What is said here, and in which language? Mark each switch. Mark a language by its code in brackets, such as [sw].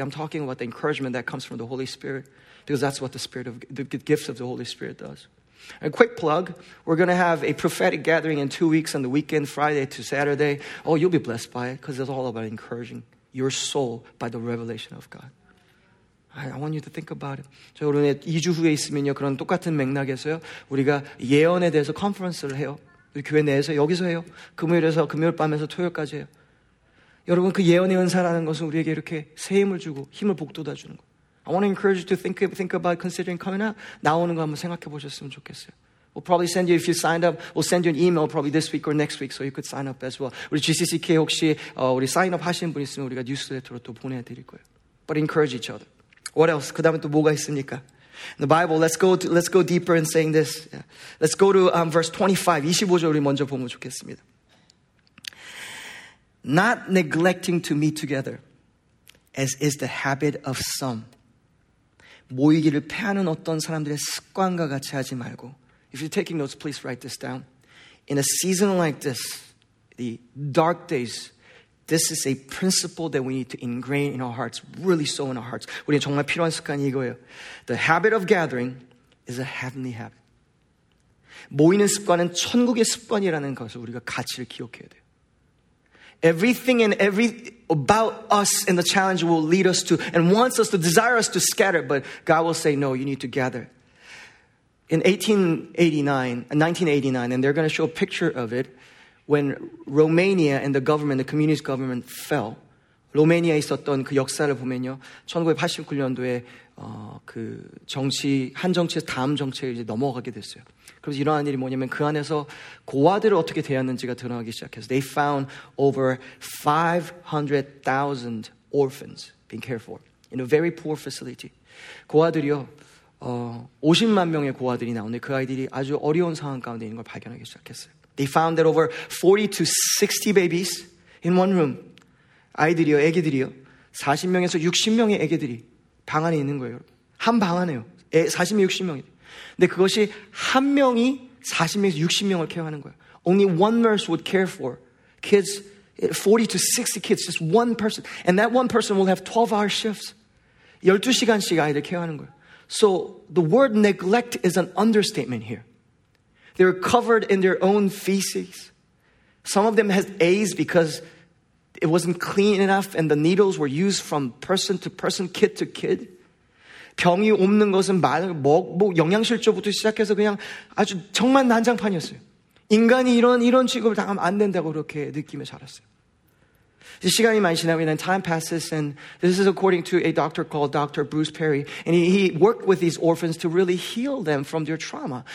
[en] I'm talking about the encouragement that comes from the Holy Spirit, because that's what the gift of the Holy Spirit does. A quick plug, we're going to have a prophetic gathering in 2 weeks on the weekend, Friday to Saturday. Oh, you'll be blessed by it because it's all about encouraging your soul by the revelation of God. I want you to think about it. [ko] 저 여러분의 2주 후에 있으면요, 그런 똑같은 맥락에서요, 우리가 예언에 대해서 컨퍼런스를 해요. 우리 교회 내에서 여기서 해요. 금요일에서 금요일 밤에서 토요일까지 해요. 여러분, 그 예언의 은사라는 것은 우리에게 이렇게 새 힘을 주고 힘을 북돋아 주는 거예요. [en] I want to encourage you to think about considering coming out. [ko] 나오는 거 한번 생각해 보셨으면 좋겠어요. [en] We'll probably send you, if you signed up, we'll send you an email probably this week or next week so you could sign up as well. [ko] 우리 GCCK 혹시 우리 사인업 하신 분 있으면 우리가 뉴스레터로 또 보내드릴 거예요. [en] But encourage each other. What else? [ko] 그 다음에 또 뭐가 있습니까? [en] In the Bible, let's go deeper in saying this. Yeah. Let's go to verse 25. [ko] 25절 우리 먼저 보면 좋겠습니다. [en] Not neglecting to meet together, as is the habit of some. [ko] 모이기를 패하는 어떤 사람들의 습관과 같이 하지 말고 [en] If you're taking notes, please write this down. In a season like this, the dark days, this is a principle that we need to ingrain in our hearts, really sow in our hearts. [ko] 우리는 정말 필요한 습관이 이거예요. [en] The habit of gathering is a heavenly habit. [ko] 모이는 습관은 천국의 습관이라는 것을 우리가 가치를 기억해야 돼요. [en] Everything and every about us and the challenge will lead us to and wants us to desire us to scatter, but God will say, no, you need to gather. In 1989, and they're going to show a picture of it, when Romania and the government, the communist government fell, [ko] 로마니아에 있었던 그 역사를 보면요, 1989년도에 그 정치 한 정치에서 다음 정치에 이제 넘어가게 됐어요. 그래서 이러한 일이 뭐냐면 그 안에서 고아들을 어떻게 대하는지가 드러나기 시작했어요. [en] They found over 500,000 orphans being cared for in a very poor facility. [ko] 고아들이요. 50만 명의 고아들이 나오는데 그 아이들이 아주 어려운 상황 가운데 있는 걸 발견하기 시작했어요. They found that over 40 to 60 babies in one room. 아이들이요, 애기들이요. 40명에서 60명의 애기들이 방 안에 있는 거예요. 한 방 안에요. 40명, 60명이. 근데 그것이 한 명이 40명에서 60명을 케어하는 거예요. [en] Only one nurse would care for kids, 40 to 60 kids, just one person. And that one person will have 12-hour shifts. [ko] 12시간씩 아이들 케어하는 거예요. [en] So the word neglect is an understatement here. They were covered in their own feces. Some of them had AIDS because it wasn't clean enough and the needles were used from person to person, kid to kid. [ko] 병이 옮는 것은 뭐 영양실조부터 시작해서 그냥 아주 정말 난장판이었어요. 인간이 이런 취급을 당하면 안 된다고 그렇게 느낌에 자랐어요. 시간이 많이 지나면 [en] then time passes and this is according to a doctor called Dr. Bruce Perry and he worked with these orphans to really heal them from their trauma.